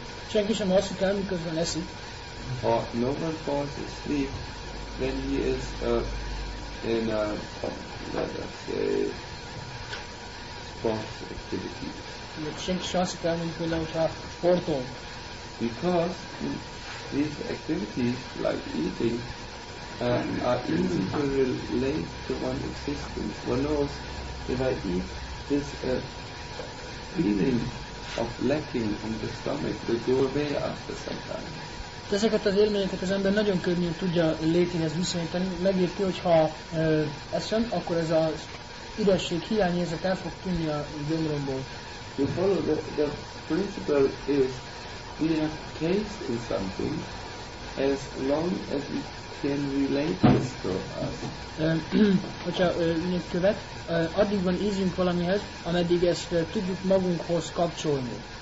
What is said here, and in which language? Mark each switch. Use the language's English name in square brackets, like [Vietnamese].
[Hungarian] Senki sem alszik el, miközben eszik. [English] Or no one falls asleep when he is in a, let us say, sports activity. [Hungarian] Senki sem alszik el, mint például, hogyha sportol. [English] Because these activities, like eating, are easy to relate to one's existence. One knows if I eat this feeling of lacking in the stomach will go away after some time. [Hungarian] De ezeket az élményeket az ember nagyon könnyen tudja létéhez viszonyítani. Megérti, hogy ha eszem, akkor ez az üresség, hiányérzet el fog tűnni a gyomromból. [English] You follow the principle is we have taste in something as long as we can relate this to us. [Hungarian] Hogyha mindig követ, addig van ízünk valamihez, ameddig ezt tudjuk magunkhoz kapcsolni.